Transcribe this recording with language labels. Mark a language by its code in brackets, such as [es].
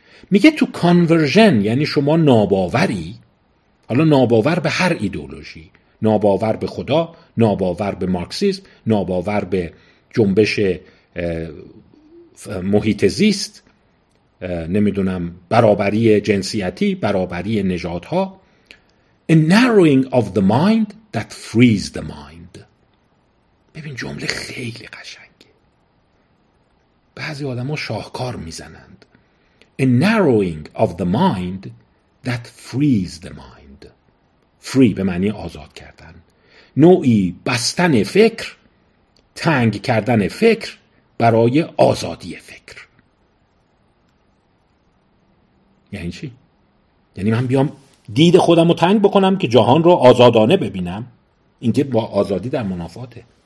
[fa] میگه تو conversion یعنی شما ناباوری، حالا ناباور به هر ایدئولوژی، ناباور به خدا، ناباور به مارکسیسم، ناباور به جنبش محیط زیست، نمیدونم برابری جنسیتی، برابری نژادها، [en] a narrowing of the mind [fa] that frees the mind. ببین جمله خیلی قشنگه. بعضی آدم‌ها شاهکار می‌زنند. [en] A narrowing of the mind that frees the mind. [fa] Free به معنی آزاد کردن. نوعی بستن فکر، تنگ کردن فکر برای آزادی فکر. یعنی چی؟ یعنی من بیام دید خودم رو تنگ بکنم که جهان رو آزادانه ببینم، این که با آزادی در منافاته.